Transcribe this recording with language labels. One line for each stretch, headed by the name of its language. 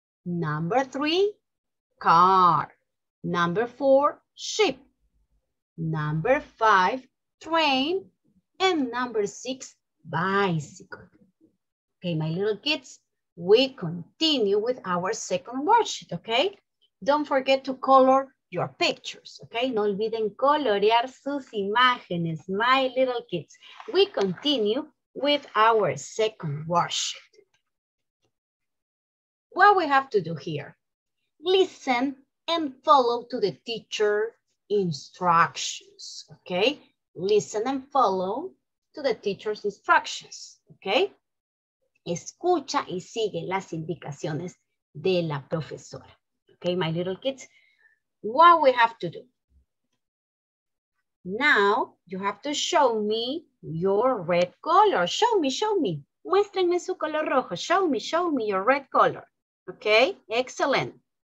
English: Number three, car. Number four, ship. Number five, train. And number six, bicycle. Okay, my little kids, we continue with our second worksheet, okay? Don't forget to color your pictures, okay?
Spanish: No olviden colorear sus imágenes,
English: my little kids. We continue with our second worksheet. What we have to do here? Listen and follow to the teacher instructions, okay? Listen and follow to the teacher's instructions, okay?
Spanish: Escucha y sigue las indicaciones de la profesora.
English: Okay, my little kids, what we have to do? Now, you have to show me your red color. Show me, show me.
Spanish: Muéstrenme su color rojo.
English: Show me your red color. Okay, excellent.